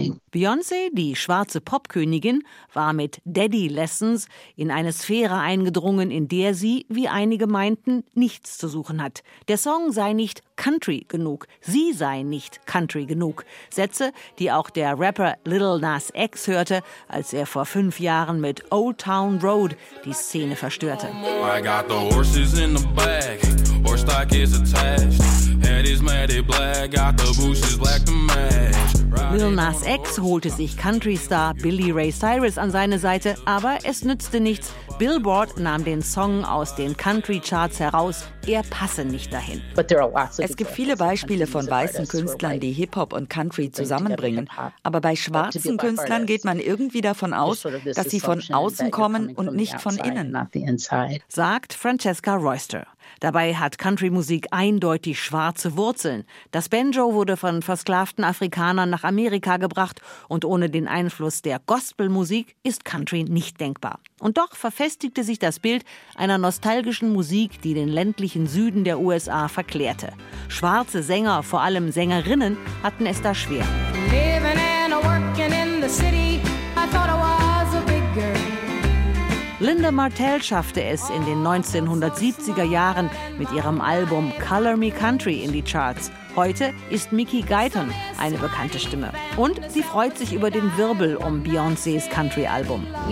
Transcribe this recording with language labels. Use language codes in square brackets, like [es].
[de] Beyoncé, die schwarze Popkönigin, war mit Daddy Lessons in eine Sphäre eingedrungen, in der sie, wie einige meinten, nichts zu suchen hat. Der Song sei nicht Country genug. Sie sei nicht Country genug. Sätze, die auch der Rapper Lil Nas X hörte, als er vor 5 Jahren mit Old Town Road die Szene verstörte. [en] I got the horses in the back, horse stock is attached, head is matted black, got the bushes black to match. [de] Lil Nas X holte sich Country-Star Billy Ray Cyrus an seine Seite, aber es nützte nichts. Billboard nahm den Song aus den Country-Charts heraus. Er passe nicht dahin. Es gibt viele Beispiele von weißen Künstlern, die Hip-Hop und Country zusammenbringen. Aber bei schwarzen Künstlern geht man irgendwie davon aus, dass sie von außen kommen und nicht von innen, sagt Francesca Royster. Dabei hat Country-Musik eindeutig schwarze Wurzeln. Das Banjo wurde von versklavten Afrikanern nach Amerika gebracht und ohne den Einfluss der Gospelmusik ist Country nicht denkbar. Und doch verfestigte sich das Bild einer nostalgischen Musik, die den ländlichen Süden der USA verklärte. Schwarze Sänger, vor allem Sängerinnen, hatten es da schwer. [en] Living and working in the city, I thought I was a big girl. [de] Linda Martell schaffte es in den 1970er Jahren mit ihrem Album Color Me Country in die Charts. Heute ist Mickey Guyton eine bekannte Stimme. Und sie freut sich über den Wirbel um Beyoncés Country-Album.